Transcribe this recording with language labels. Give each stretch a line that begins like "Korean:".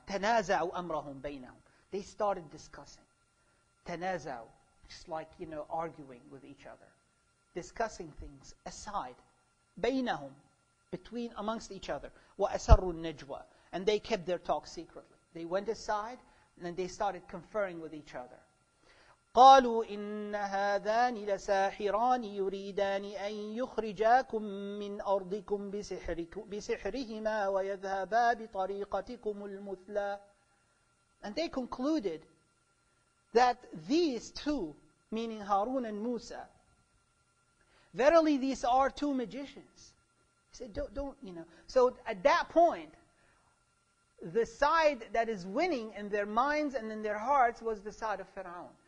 Arabic: تَنَازَعُوا أَمْرَهُمْ بَيْنَهُمْ
English: They started discussing. تَنَازَعُوا Just like, you know, arguing with each other. Discussing things aside. بَيْنَهُمْ Between, amongst each other.
Arabic: وَأَسَرُوا النَّجْوَى
English: And they kept their talk secretly. They went aside and then they started conferring with each other.
Arabic: قالوا إن هذان لساحران يريدان أن يخرجاكم من أرضكم بسحرهما ويذهبا بطريقتكم المثلى.
English: And they concluded that these two, meaning Harun and Musa, verily these are two magicians. He said, don't, you know. So at that point, the side that is winning in their minds and in their hearts was the side of Fir'aun.